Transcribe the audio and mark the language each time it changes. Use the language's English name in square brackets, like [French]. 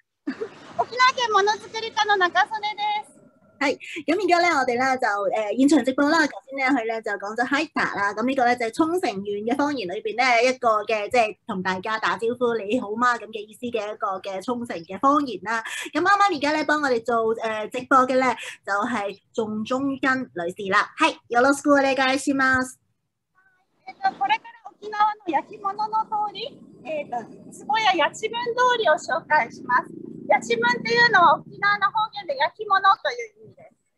[Japanese] 沖縄県ものづくり課の中曽根です。 [Cantonese] はい、咁而家咧，我哋咧就現場直播啦。頭先咧，佢咧就講咗 Hita 啦。咁呢個咧就係沖繩縣嘅方言裏邊咧一個嘅，即係同大家打招呼你好嗎咁嘅意思嘅一個嘅沖繩嘅方言啦。咁啱啱而家咧幫我哋做直播嘅咧就係仲中根女士啦。 [Japanese] 係，よろしくお願いします。これから沖縄の焼き物の通り、つぼや八千文通りを紹介します。八千文っていうのは沖縄の方言で焼き物という意味で